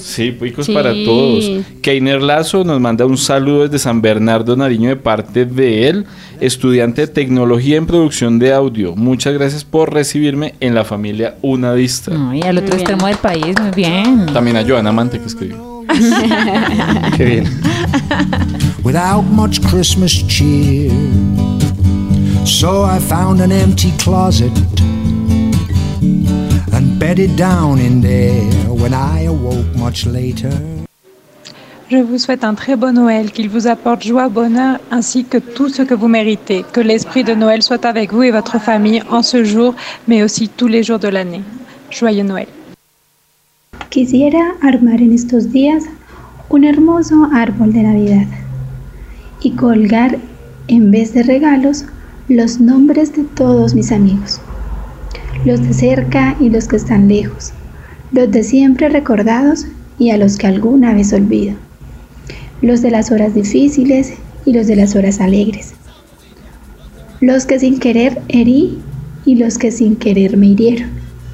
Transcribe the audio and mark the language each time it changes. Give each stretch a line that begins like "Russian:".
Spanish: Sí, picos sí, para todos. Keiner Lazo nos manda un saludo desde San Bernardo, Nariño, de parte de él, estudiante de tecnología en producción de audio. Muchas gracias por recibirme en la familia Unadista. Y al otro extremo del país, muy bien. También a Joana Amante, que escribió. Qué bien.
English: Without much Christmas cheer, so I found an empty closet and bedded down in there when I awoke much later.
French: Je vous souhaite un très bon Noël, qu'il vous apporte joie, bonheur ainsi que tout ce que vous méritez. Que l'esprit de Noël soit avec vous et votre famille en ce jour, mais aussi tous les jours de l'année. Joyeux Noël.
Spanish: Quisiera armar en estos días un hermoso árbol de Navidad y colgar en vez de regalos los nombres de todos mis amigos, los de cerca y los que están lejos, los de siempre recordados y a los que alguna vez olvido, los de las horas difíciles y los de las horas alegres, los que sin querer herí y los que sin querer me hirieron.